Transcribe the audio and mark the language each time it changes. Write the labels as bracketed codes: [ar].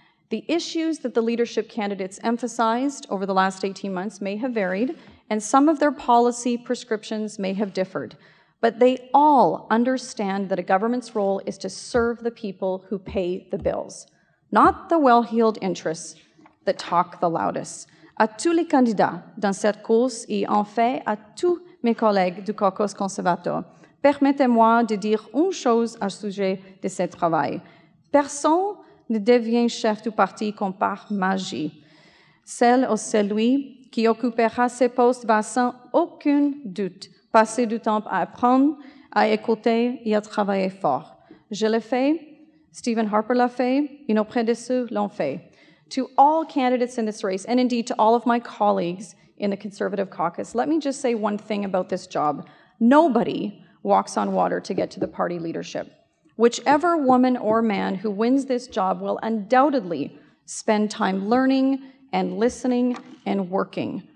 [en] The issues that the leadership candidates emphasized over the last 18 months may have varied, and some of their policy prescriptions may have differed. But they all understand that a government's role is to serve the people who pay the bills, not the well-heeled interests that talk the loudest. [fr] À tous les candidats dans cette course, et en fait à tous mes collègues du caucus conservateur, permettez-moi de dire une chose à sujet de ce travail. Personne ne devient chef du parti comme par magie. Celle ou celui qui occupera ce poste va sans aucun doute passer du temps à apprendre, à écouter et à travailler fort. Je l'ai fait, Stephen Harper l'a fait, et nos prédécesseurs l'ont fait. [en] To all candidates in this race, and indeed to all of my colleagues in the Conservative caucus, let me just say one thing about this job. Nobody walks on water to get to the party leadership. Whichever woman or man who wins this job will undoubtedly spend time learning and listening and working.